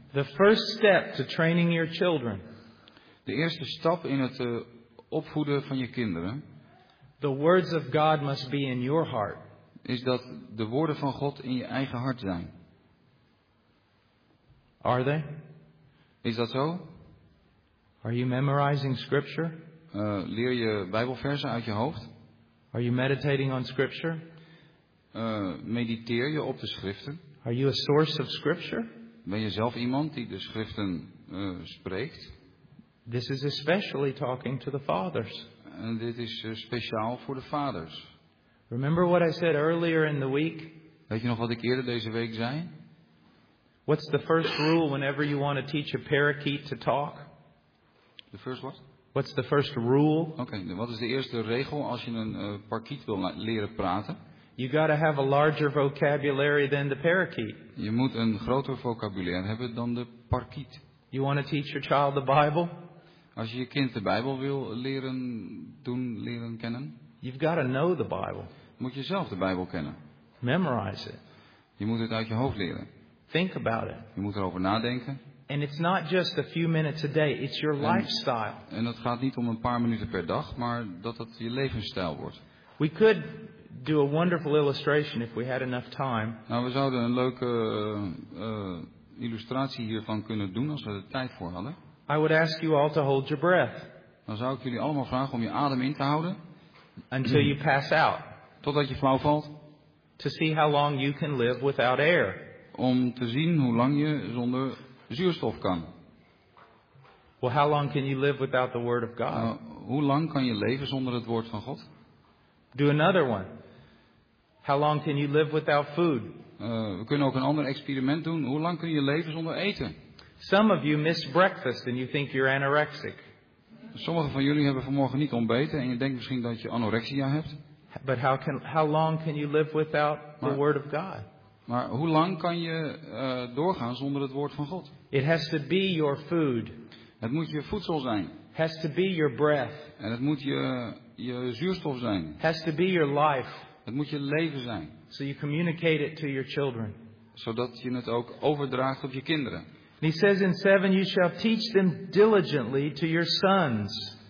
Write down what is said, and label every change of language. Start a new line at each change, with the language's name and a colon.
English: The first step to training your children.
Dutch: De eerste stap in het opvoeden van je kinderen.
English: The words of God must be in your heart.
Dutch: Is dat de woorden van God in je eigen hart zijn.
English: Are they?
Dutch: Is dat zo?
English: Are you memorizing scripture?
Dutch: Leer je Bijbelversen uit je hoofd?
English: Are you meditating on scripture?
Dutch: Mediteer je op de schriften?
English: Are you a source of scripture?
Dutch: Ben je zelf iemand die de schriften spreekt?
English: This is especially talking to the fathers.
Dutch: En dit is speciaal voor de vaders.
English: Remember what I said earlier in the week?
Dutch: Weet je nog wat ik eerder deze week zei?
English: What's the first rule whenever you want to teach a parakeet to talk? The first what? What's the first rule?
Dutch: Okay, wat is de eerste regel als je een parakeet wil leren praten?
English: You got to have a larger vocabulary than the parakeet.
Dutch: Je moet een groter vocabulaire hebben dan de parakeet.
English: You want to teach your child the Bible?
Dutch: Als je je kind de Bijbel wil leren doen, leren kennen.
English: You've got to know the Bible.
Dutch: Moet je zelf de Bijbel kennen.
English: Memorize it.
Dutch: Je moet het uit je hoofd leren.
English: Think about it.
Dutch: Je moet erover nadenken.
English: And it's not just a few minutes a day, it's your lifestyle.
Dutch: En het gaat niet om een paar minuten per dag, maar dat het je levensstijl wordt.
English: We could do a wonderful illustration if we had enough time.
Dutch: Nou, we zouden een leuke illustratie hiervan kunnen doen als we er tijd voor hadden.
English: I would ask you all to hold your breath.
Dutch: Dan zou ik jullie allemaal vragen om je adem in te houden.
English: Until you pass out.
Dutch: Totdat je flauw valt.
English: To see how long you can live without air.
Dutch: Om te zien hoe lang je zonder zuurstof kan.
English: Well, how long can you live without the word of God?
Dutch: Hoe lang kan je leven zonder het woord van God?
English: Do another one. How long can you live without food?
Dutch: We kunnen ook een ander experiment doen. Hoe lang kun je leven zonder eten?
English: Some of you miss breakfast and you think you're anorexic.
Dutch: Sommige van jullie hebben vanmorgen niet ontbeten en je denkt misschien dat je anorexia hebt.
English: But how long can you live without the word of God?
Dutch: Maar hoe lang kan je doorgaan zonder het woord van God?
English: It has to be your food.
Dutch: Het moet je voedsel zijn.
English: Has to be your breath.
Dutch: En het moet je zuurstof zijn.
English: Has to be your life.
Dutch: Het moet je leven zijn.
English: So you communicate it to your children.
Dutch: Zodat je het ook overdraagt op je kinderen.
English: And he says in 7, you shall teach them diligently to your sons.